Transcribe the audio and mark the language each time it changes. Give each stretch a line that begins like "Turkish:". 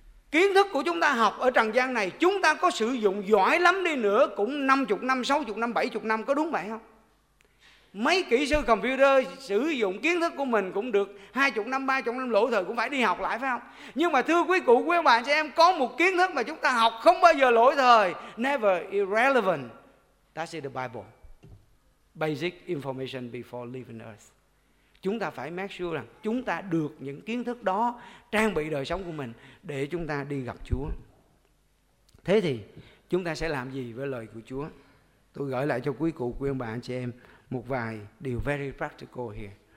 Vietnamese: Kiến thức của chúng ta học ở trần gian này, chúng ta có sử dụng giỏi lắm đi nữa cũng 50 năm, 60 năm, 70 năm, có đúng vậy không? Mấy kỹ sư computer sử dụng kiến thức của mình cũng được 20 năm, 30 năm, lỗ thời cũng phải đi học lại, phải không? Nhưng mà thưa quý cụ, quý ông bà, cho em có một kiến thức mà chúng ta học không bao giờ lỗi thời.
English: Never irrelevant. That's in the Bible. Basic information before leaving earth.
Vietnamese: Chúng ta phải
English: make sure
Vietnamese: rằng chúng ta được những kiến thức đó trang bị đời sống của mình để chúng ta đi gặp Chúa. Thế thì chúng ta sẽ làm gì với lời của Chúa? Tôi gửi lại cho quý cụ, quý ông bà, anh chị em một vài điều
English: very practical here.